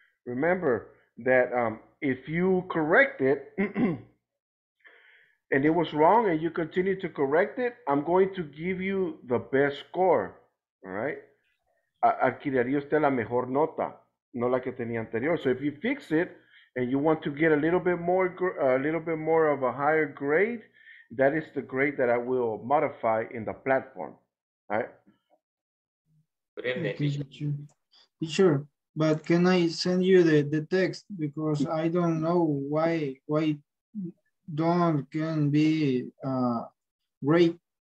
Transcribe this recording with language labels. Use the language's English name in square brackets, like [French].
[English] Remember that if you correct it, and it was wrong and you continue to correct it, I'm going to give you the best score, all right? [Spanish] Adquiriría usted la mejor nota, no la que tenía anterior. [English] So if you fix it and you want to get a little bit more of a higher grade, that is the grade that I will modify in the platform, all right? Sure, but can I send you the text? Because I don't know why don't can be great.